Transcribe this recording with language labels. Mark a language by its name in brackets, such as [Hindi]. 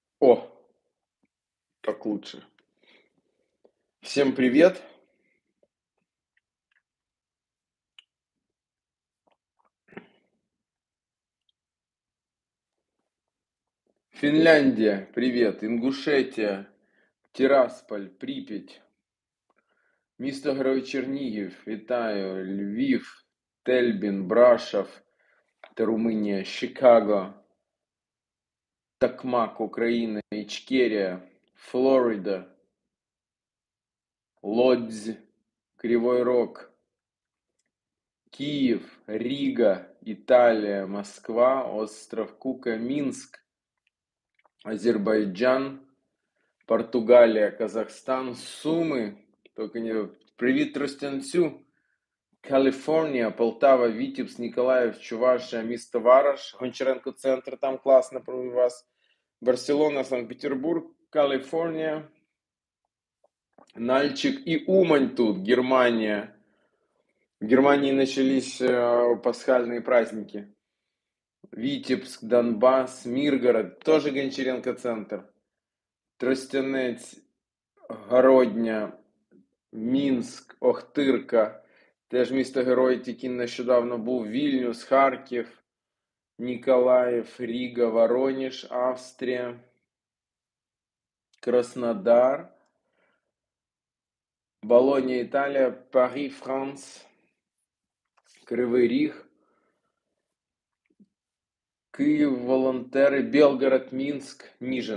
[Russian] О! Так лучше. Всем привет! Финляндия, привет. Ингушетия, Тирасполь, Припять. [Ukrainian] Місто Герой Чернігів, вітаю. Львів, Тельбін, Брашов, це Румынія, Чикаго, Токмак, Україна, Ічкерія, Флорида, Лодзь, Кривой Рог, Київ, Рига, Італія, Москва, остров Кука, Мінськ, Азербайджан, Португалія, Казахстан, Суми, [Russian] только [Ukrainian] не привіт ростянцю, Каліфорнія, Полтава, Вітебск, Ніколаїв, Чувашія, місто Вараш, Гончаренко центр, там класно про вас, Барселона, Санкт-Петербург, Каліфорнія, Нальчик і Умань тут, Германія. В Германії почались пасхальні праздники. [Russian] Витебск, Донбасс, Миргород, тоже Гончаренко-центр. [Ukrainian] Тростянец, Городня, Минск, Охтырка, теж місто герой, тільки нещодавно був. Вільнюс, Харків, Ніколаїв, Ріга, Вороніж, Австрія, Краснодар, Болонія, Італія, Парі, Франс, Кривий Ріг, Киев, волонтеры, Белгород, Минск, [Russian] ниже.